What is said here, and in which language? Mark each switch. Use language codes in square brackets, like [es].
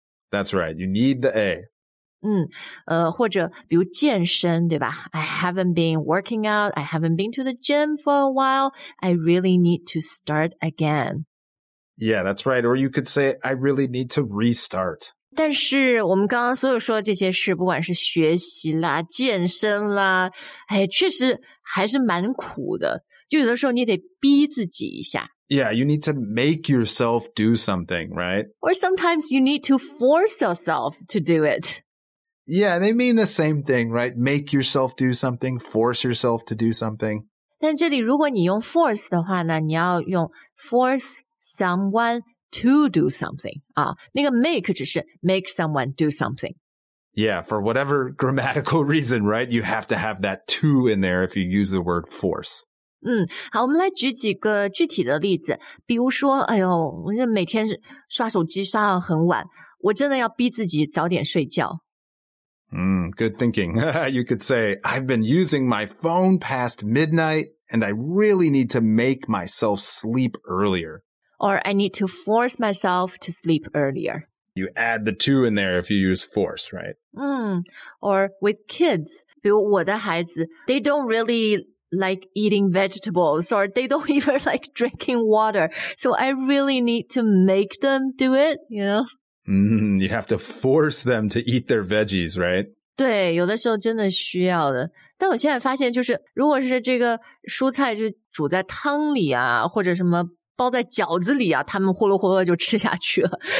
[en] That's right. You need the A. [zh] 嗯或者比如健身对吧 [en] I haven't been working out, I haven't been to the gym for a while, I really need to start again. Yeah, that's right, or you could say, I really need to restart. [zh] 但是我们刚刚所有说的这些事不管是学习啦健身啦哎确实还是蛮苦的就有的时候你得逼自己一下。 [en] Yeah, you need to make yourself do something, right? Or sometimes you need to force yourself to do it. Yeah, they mean the same thing, right? Make yourself do something, force yourself to do something. [zh] 但这里如果你用 force 的话呢你要用 [en] force someone to do something. [zh] 啊那个 [en] make [zh] 只是 [en] make someone do something. Yeah, for whatever grammatical reason, right? You have to have that to in there if you use the word force. [zh] 嗯好我们来举几个具体的例子。比如说哎呦我每天刷手机刷到很晚我真的要逼自己早点睡觉。 [en] Good thinking. You could say, I've been using my phone past midnight, and I really need to make myself sleep earlier. Or I need to force myself to sleep earlier. You add the two in there if you use force, right? Or with kids, [zh] 比如我的孩子 [en] they don't really like eating vegetables, or they don't even like drinking water. So I really need to make them do it, you know? You have to force them to eat their veggies, right? [zh] 对有的时候真的需要的。但我现在发现就是如果是这个蔬菜就煮在汤里啊或者什么包在饺子里啊他们呼噜呼噜就吃下去了。